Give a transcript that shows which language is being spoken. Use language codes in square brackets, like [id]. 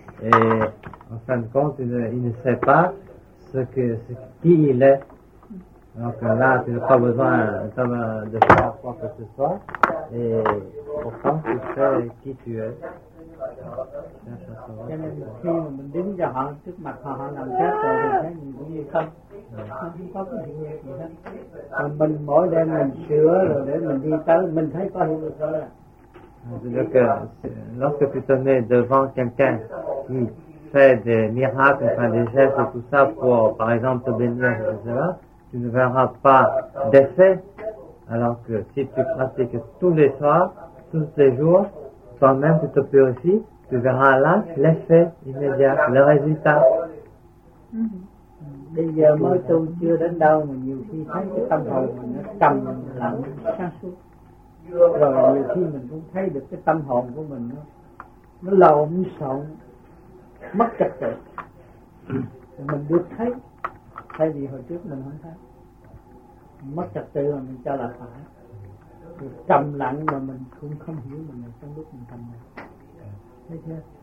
[fr] Et en fin de compte, il ne sait pas qui il est. Donc là, tu n'as pas besoin de faire quoi que ce soit. Et pourtant, tu sais qui tu es. [vi] Cho nên khi mà mình đứng cho họ trước mặt họ làm chết rồi thì thấy mình cũng như không, không có cái gì nghiệp gì hết. Mà mình mỗi đêm mình sửa rồi để mình đi tới, mình thấy có hiệu lực rồi. [fr] Donc, lorsque tu te mets devant quelqu'un qui fait des miracles, enfin des gestes et tout ça pour, par exemple, te bénir, etc., tu ne verras pas d'effet. Alors que si tu pratiques tous les soirs, tous les jours, toi-même, tu te purifies, tu verras là l'effet immédiat, le résultat. Déjà, moi, je ne suis pas là, mais je suis là, [vi] je suis là, rồi nhiều khi mình cũng thấy được cái tâm hồn của mình nó lộn xộn, mất trật tự, mình được thấy thay vì hồi trước mình không thấy, mất trật tự mà mình cho là phải, được trầm lặng mà mình cũng không hiểu mình là trong lúc mình trầm lặng, thấy chưa?